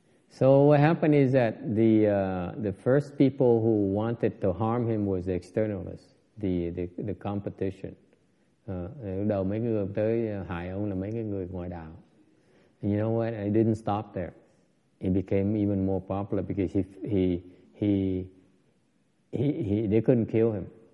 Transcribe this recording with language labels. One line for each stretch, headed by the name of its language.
English: So what happened is that the first people who wanted to harm him was the externalists, the competition.
Vietnamese: Đầu mấy người tới hại ông là mấy cái người ngoại đạo.
English: And you know what? It didn't stop there. He became even more popular because he they couldn't kill him.